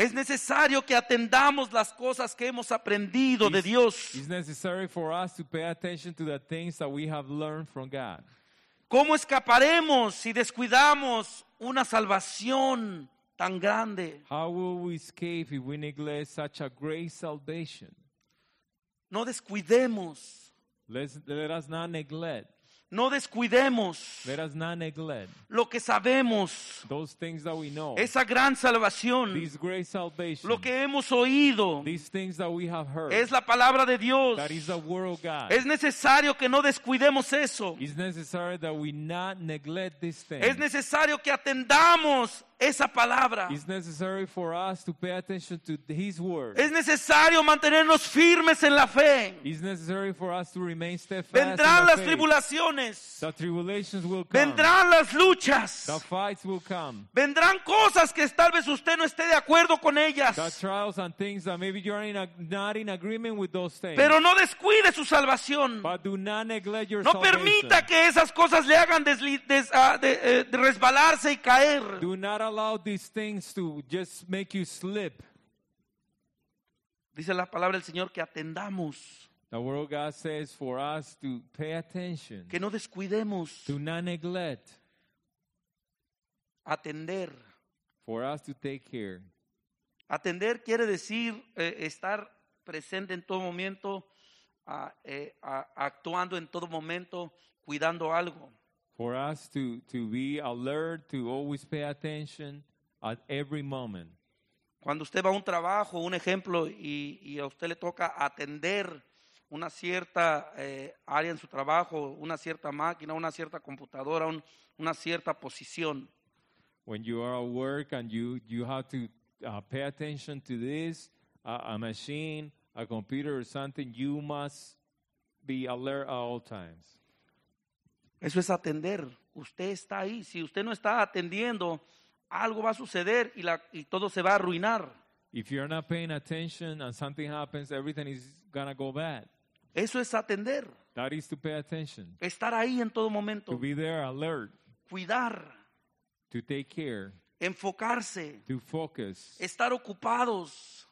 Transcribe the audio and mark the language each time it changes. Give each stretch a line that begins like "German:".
Spanish: Es necesario que atendamos las cosas que hemos aprendido de Dios.
English: It's necessary for us to pay attention to the things that we have learned from God.
Spanish: ¿Cómo escaparemos si descuidamos una salvación tan grande?
English: How will we escape if we neglect such a great salvation?
Spanish: No descuidemos.
English: Let us not neglect.
Spanish: No descuidemos.
English: Let us not neglect.
Spanish: Lo que sabemos.
English: Those things that we know.
Spanish: Esa gran salvación.
English: This great salvation.
Spanish: Lo que hemos oído.
English: These things that we have heard.
Spanish: Es la palabra de Dios.
English: That is the word of God.
Spanish: Es necesario que no descuidemos eso.
English: It's necessary that we not neglect this thing.
Spanish: Es necesario que atendamos esa palabra.
English: It's necessary for us to pay attention to his word.
Spanish: Es necesario mantenernos firmes en la fe.
English: It's necessary for us to remain steadfast.
Spanish: Vendrán las tribulaciones.
English: The tribulations will come.
Spanish: Vendrán las luchas.
English: The fights will come.
Spanish: Vendrán cosas que tal vez usted no esté de acuerdo con ellas.
English: The trials and things that maybe you are not in agreement with those things.
Spanish: Pero no descuide su salvación.
English: But do not neglect your
Spanish: salvation. No permita que esas cosas le hagan resbalarse y caer.
English: Do not allow these things to just make you slip.
Spanish: Dice la palabra del Señor que atendamos.
English: The word of God says for us to pay attention.
Spanish: Que no descuidemos.
English: To not neglect.
Spanish: Atender.
English: For us to take care.
Spanish: Atender quiere decir estar presente en todo momento, actuando en todo momento, cuidando algo.
English: For us to be alert, to always pay attention at every moment.
Spanish: Cuando usted va a un trabajo, un ejemplo, y a usted le toca atender una cierta área en su trabajo, una cierta máquina, una cierta computadora, una cierta posición.
English: When you are at work and you have to pay attention to this, a machine, a computer or something, you must be alert at all times.
Spanish: Eso es atender. Usted está ahí. Si usted no está atendiendo, algo va a suceder y todo se va a arruinar.
English: If you're not paying attention and something happens, everything is gonna go bad.
Spanish: Eso es atender.
English: That is to pay attention.
Spanish: Estar ahí en todo momento.
English: To be there alert.
Spanish: Cuidar.
English: To take care.
Spanish: Enfocarse.
English: To focus.
Spanish: Estar ocupados.